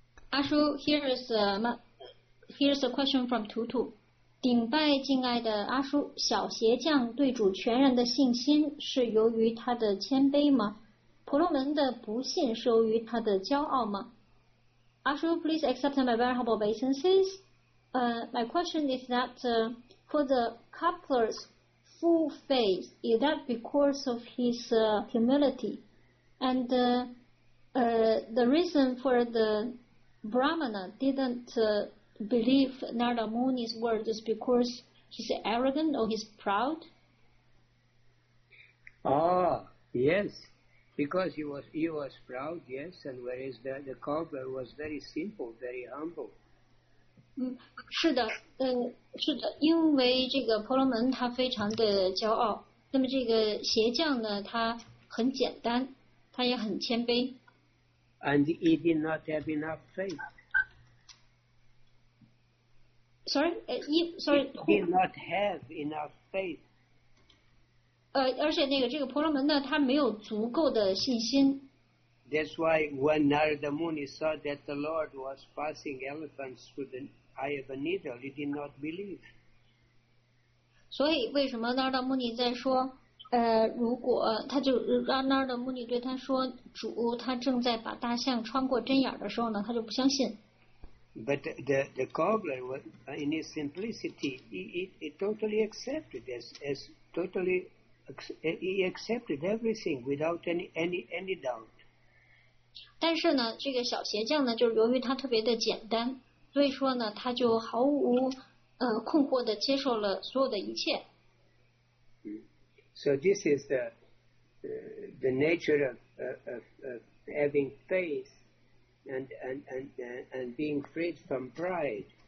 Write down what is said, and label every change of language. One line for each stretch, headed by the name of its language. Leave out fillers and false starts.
English: 阿叔 ，here's a question from 图图。
Chinese: 顶拜敬爱的阿叔，小鞋匠对主全然的信心是由于他的谦卑吗？婆罗门的不信是由于他的骄傲吗？
English: 阿叔 ，please accept my venerable obeisances. My question is that for the coupler's full faith, is that because of his humility? And the reason for the Brahmana didn't believe Narada Muni's words is because he's arrogant or he's proud? Yes. Because he was proud, yes, and whereas the cobbler was very simple, very humble.
Chinese: 是的，因为这个婆罗门他非常的骄傲，那么这个鞋匠呢，他很简单，他也很谦卑。
English: And he did not have enough faith. Sorry, he did not have enough faith.
Chinese: 而且那个这个婆罗门呢，他没有足够的信心。
English: That's why when Narada Muni saw that the Lord was passing elephants through the eye of a needle, he did not believe.
Chinese: 所以为什么 Narada Muni 在说，如果他就让 Narada Muni 对他说，主他正在把大象穿过针眼的时候呢，他就不相信。
English: But the cobbler was in his simplicity, he totally accepted as totally. He accepted everything without any doubt.
Chinese: 但是呢，这个小鞋匠呢，就是由于他特别的简单，所以说呢，他就毫无困惑的接受了所有的一切。
English: So this is the nature of having faith and being freed from pride.